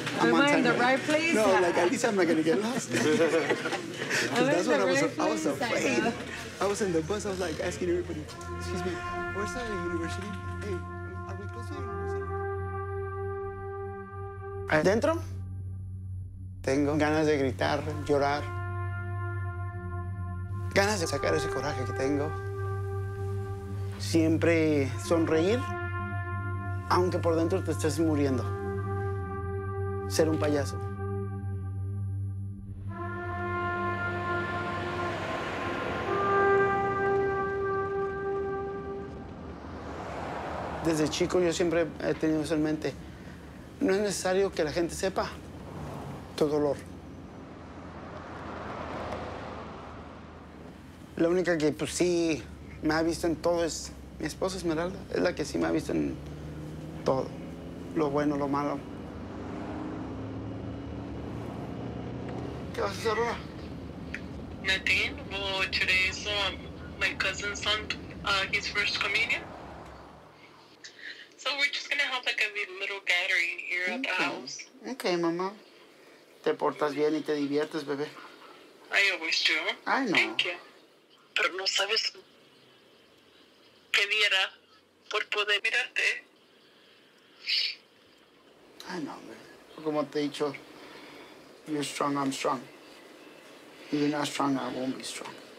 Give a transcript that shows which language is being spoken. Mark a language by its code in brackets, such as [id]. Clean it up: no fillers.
[en] I'm on time. Am I in the right place? No, like, at least I'm not going to get lost. Because that's what I was afraid. I was in the bus. I was, like, asking everybody, excuse me, where's the university? Hey, are we close to the university? [es] ¿Adentro? Tengo ganas de gritar, llorar. Ganas de sacar ese coraje que tengo. Siempre sonreír, aunque por dentro te estés muriendo. Ser un payaso. Desde chico yo siempre he tenido eso en mente. No es necesario que la gente sepa tu dolor. La única que, pues, sí me ha visto en todo es mi esposa Esmeralda. Es la que sí me ha visto en todo, lo bueno, lo malo. ¿Qué vas a hacer ahora? [en] Nothing. Well, today is my cousin's son, his first communion. So we're just gonna have like a little gathering here at the house. Okay, mamá. [es] Te portas bien y te diviertes, bebé. [en] I always do. I know. Thank you. [es] Pero no sabes qué diera por poder mirarte. Ay, no, man. Como te he dicho, [en] you're strong, I'm strong. If you're not strong, I won't be strong.